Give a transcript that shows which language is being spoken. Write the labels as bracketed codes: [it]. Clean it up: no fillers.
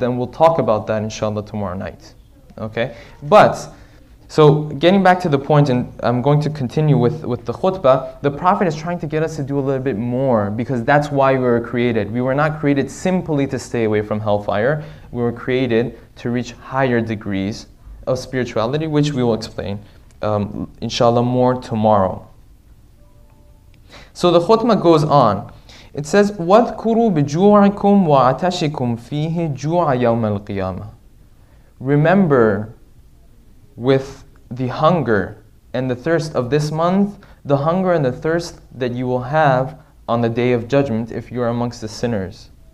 [en] Then we'll talk about that inshallah tomorrow night. Okay? But, so getting back to the point, and I'm going to continue with the khutbah, the Prophet is trying to get us to do a little bit more, because that's why we were created. We were not created simply to stay away from hellfire. We were created to reach higher degrees of spirituality, which we will explain inshallah more tomorrow. So the khutbah goes on. [ar] It says, وَذْكُرُوا بِجُوعِكُمْ وَعَتَشِكُمْ فِيهِ جُوعَ يَوْمَ الْقِيَامَةِ. [en] Remember with the hunger and the thirst of this month, the hunger and the thirst that you will have on the Day of Judgment if you are amongst the sinners.